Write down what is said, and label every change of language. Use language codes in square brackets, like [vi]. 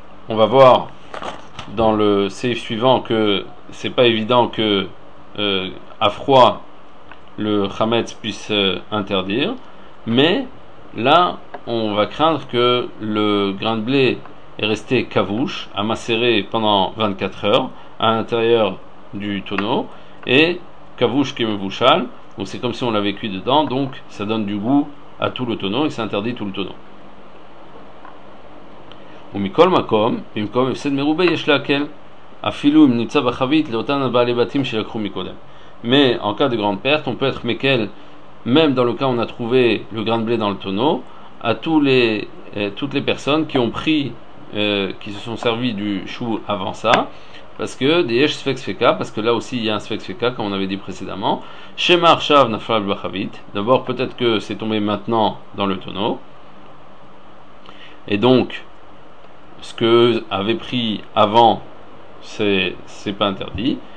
[fr] on va voir dans le seif suivant que c'est pas évident que à froid le chametz puisse interdire, mais là on va craindre que le grain de blé est resté kavouche, amacéré pendant 24 heures à l'intérieur du tonneau, et kavouche kemevouchal, donc c'est comme si on l'avait cuit dedans, donc ça donne du goût à tout le tonneau et ça interdit tout le tonneau. [he] ומכל מקום, במקום הפסד מרובה יש להקל, אפילו אם נמצא בחבית לאותן הבעלי בתים שלקחו מקודם. [fr] Mais en cas de grande perte, on peut être mekel, même dans le cas où on a trouvé le grain de blé dans le tonneau, à toutes les personnes qui ont pris, qui se sont servis du chou avant ça, parce que d'yesh sfek sfeka, parce que là aussi il y a un sfek sfeka, comme on avait dit précédemment, shema arshav nafal bachavit, d'abord peut-être que c'est tombé maintenant dans le tonneau, et donc, ce que avait pris avant, c'est pas interdit.